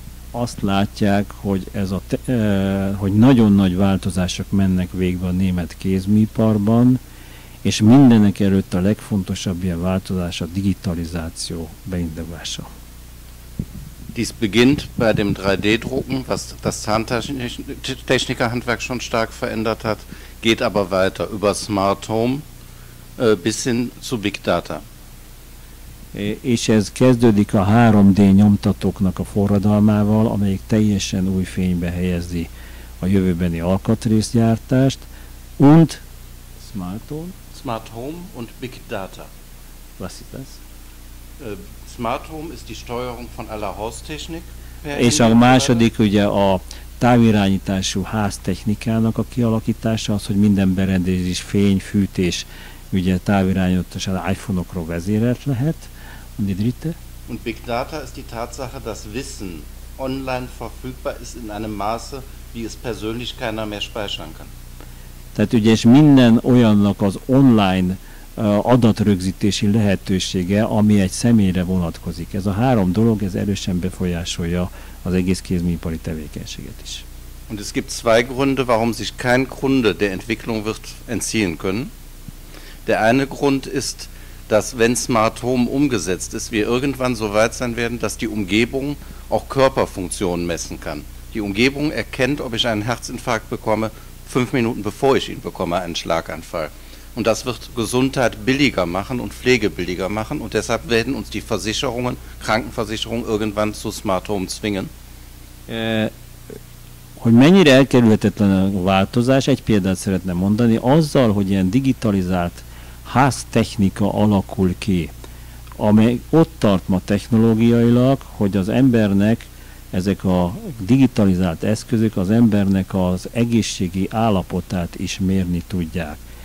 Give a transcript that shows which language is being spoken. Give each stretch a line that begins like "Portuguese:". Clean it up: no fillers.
Hungarian: Azt látják, hogy ez a hogy nagyon nagy változások mennek végbe a német kézműiparban, és mindenek előtt a legfontosabb ilyen változás a digitalizáció beindulása.
German: Dies beginnt bei dem 3D-Drucken, was das Zahntechnikerhandwerk schon stark verändert hat, geht aber weiter über Smart Home bis hin zu Big Data.
Hungarian: És ez kezdődik a 3D-nyomtatóknak a forradalmával, amelyik teljesen új fénybe helyezi a jövőbeni alkatrészgyártást,
German: und Smart Home? Smart Home und Big Data. Was ist das? Smart Home ist die Steuerung von aller Haustechnik.
Hungarian: És a második ugye a távirányítású háztechnikának a kialakítása az, hogy minden berendezés, fény, fűtés, ugye távirányítással iPhone-okról vezérelt lehet.
German: Und die dritte? Und Big Data ist die Tatsache, dass Wissen online verfügbar ist in einem Maße, wie es persönlich keiner mehr speichern kann.
Hungarian: Tehát ugye és minden olyannak az online adatrögzítési lehetősége, ami egy személyre vonatkozik. Ez a három dolog, ez erősen befolyásolja az egész kézműipari tevékenységet is.
German: Und es gibt zwei Gründe, warum sich kein Kunde der Entwicklung wird entziehen können. Der eine Grund ist, dass wenn Smart Home umgesetzt ist, wir irgendwann so weit sein werden, dass die Umgebung auch Körperfunktionen messen kann. Die Umgebung erkennt, ob ich einen Herzinfarkt bekomme, 5 Minuten bevor ich ihn bekomme, einen Schlaganfall. Und das wird Gesundheit billiger machen und Pflege billiger machen. Und deshalb werden uns die Versicherungen, Krankenversicherungen irgendwann zu Smart Home zwingen.
Hungarian: Hogy mennyire elkerülhetetlen a változás, egy példát szeretném mondani, azzal, hogy ilyen digitalizált háztechnika alakul ki, amely ott tart ma technológiailag, hogy az embernek ezek a digitalizált eszközök az embernek az egészségi állapotát is mérni tudják.